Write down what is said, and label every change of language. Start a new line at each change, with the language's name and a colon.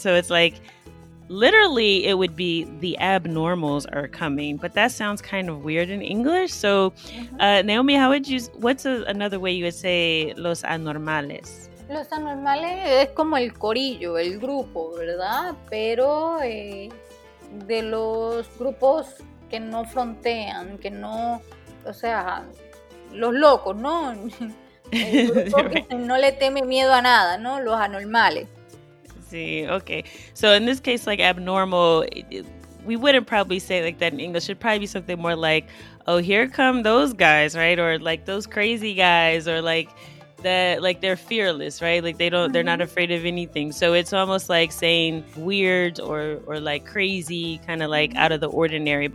English: So it's like, literally, it would be the abnormals are coming, but that sounds kind of weird in English. So, Naomi, what's another way you would say los anormales?
Spanish: Los anormales es como el corillo, el grupo, ¿verdad? Pero de los grupos que no frontean, que no, o sea, los locos, ¿no? El grupo que no le teme miedo a nada, ¿no? Los anormales.
English: Okay, so in this case, like abnormal, we wouldn't probably say like that in English. It'd probably be something more like, oh, here come those guys, right? Or like those crazy guys, or like that, like they're fearless, right? Like they're not afraid of anything. So it's almost like saying weird or like crazy, kind of like out of the ordinary.